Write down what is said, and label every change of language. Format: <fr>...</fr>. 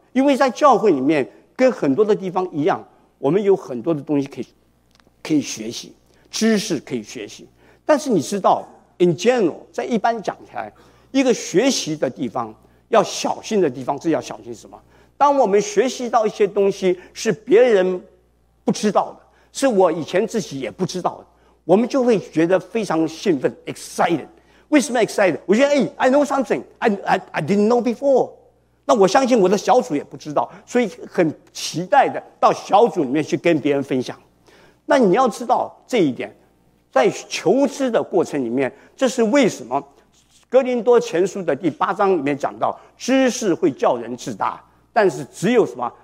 <zh>因为在教会里面跟很多的地方一样，我们有很多的东西可以学习，知识可以学习，但是你知道</zh> <en>in general</en> <zh>在一般讲起来，一个学习的地方要小心的地方是要小心什么？当我们学习到一些东西是别人不知道的，是我以前自己也不知道的，我们就会觉得非常兴奋 excited。为什么 excited？我觉得、</zh> <en>I know something I didn't know before。</en> <zh>那我相信我的小组也不知道，所以很期待的到小组里面去跟别人分享。那你要知道这一点，在求知的过程里面，这是为什么哥林多前书的第八章里面讲到知识会叫人自大，但是只有什么？</zh>